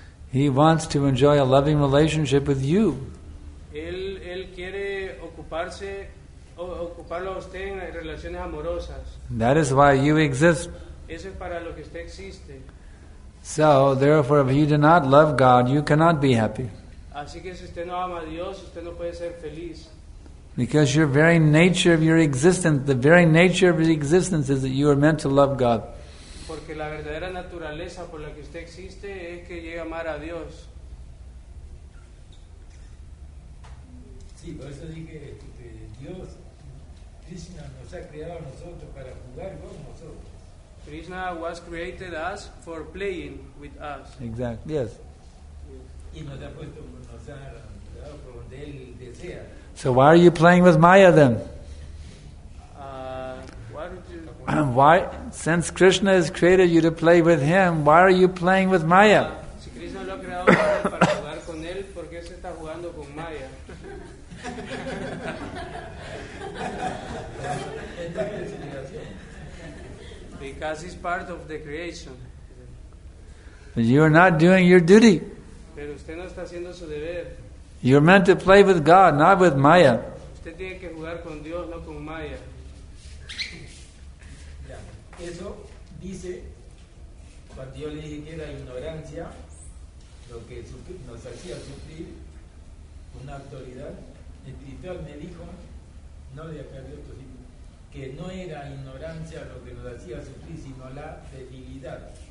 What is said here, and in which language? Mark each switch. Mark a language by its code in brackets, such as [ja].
[en] He wants to enjoy a loving relationship with you. [es] Él quiere ocuparse. Ocuparlo a usted en relaciones amorosas. [en] That is why you exist. [es] Eso es para lo que usted existe. [en] So, therefore, if you do not love God, you cannot be happy. [es] Así que si usted no ama a Dios, usted no puede ser feliz. [en] Because your very nature of your existence, the very nature of your existence is that you are meant to love God. [es] Porque la verdadera naturaleza por la que usted existe es que llega a amar a Dios. Sí, por eso dije que Dios, Krishna, nos ha creado a nosotros para jugar con nosotros. [en] Krishna was created us for playing with us. Exactly, yes. [es] Y nos ha puesto, nos ha dado por donde Él desea. [en] So why are you playing with Maya then? Why, since Krishna has created you to play with Him, why are you playing with Maya? [es] Si Krishna lo ha creado para jugar con Él, ¿por qué se está jugando con Maya? [en] Because it's part of the creation. But you are not doing your duty. [es] Pero usted no está haciendo su deber. [en] You're meant to play with God, not with Maya. [es] Usted tiene que jugar con Dios, no con Maya. Eso dice cuando yo le dije que era ignorancia lo que nos hacía sufrir. Una autoridad espiritual me dijo, no de acá, de otro sitio, que no era ignorancia lo que nos hacía sufrir, sino la debilidad.